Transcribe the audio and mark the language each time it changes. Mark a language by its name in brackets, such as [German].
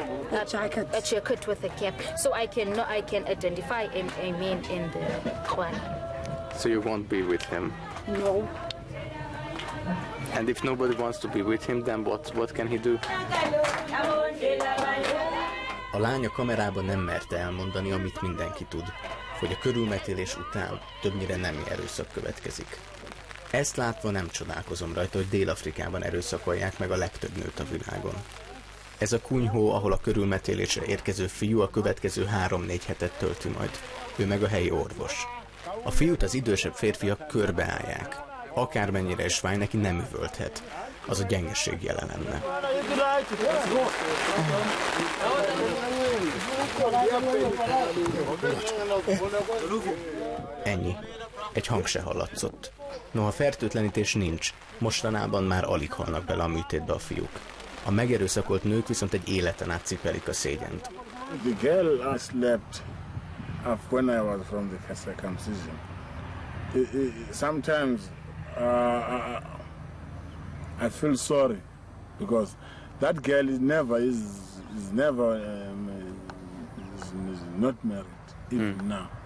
[English] a jacket with a cap. So I can know, I can identify him, I mean, in the one. So you won't be with him? No. And if nobody wants to be with him, then what can he do? [Hungarian] A lány a kamerában nem merte elmondani, amit mindenki tud, hogy a körülmetélés után többnyire nemi erőszak következik. Ezt látva nem csodálkozom rajta, hogy Dél-Afrikában erőszakolják meg a legtöbb nőt a világon. Ez a kunyhó, ahol a körülmetélésre érkező fiú a következő 3-4 hetet tölti majd. Ő meg a helyi orvos. A fiút az idősebb férfiak körbeállják. Akármennyire is fáj, neki nem üvölthet. Az a gyengeség jele lenne. Ennyi. Egy hang se hallatszott. Noha fertőtlenítés nincs, mostanában már alig halnak bele a műtétbe a fiúk. A megerőszakolt nők viszont egy életen át cipelik a szégyent. [English] The girl I slept after when I was from the first circumcision. Sometimes I feel sorry because that girl is not married even now.